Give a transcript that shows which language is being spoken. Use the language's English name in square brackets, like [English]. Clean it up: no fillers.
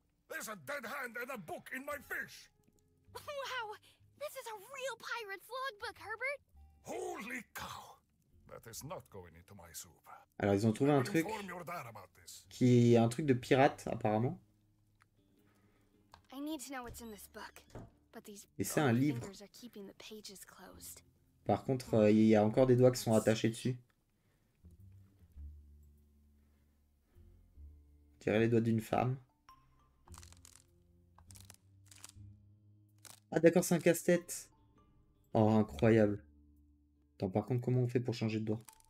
[English] There's a dead hand and a book in my fish. Wow, this is a real pirate's logbook, Herbert. Holy cow! That is not going into my soup. [French] Alors ils ont trouvé un truc qui est un truc de pirate apparemment. [English] I need to know what's in this book, but these. [French] Et c'est un livre. [English] Fingers are keeping the pages closed. [French] Par contre, il y a encore des doigts qui sont attachés dessus. Tirer les doigts d'une femme. Ah d'accord, c'est un casse-tête. Oh, incroyable. Attends, par contre, comment on fait pour changer de doigt?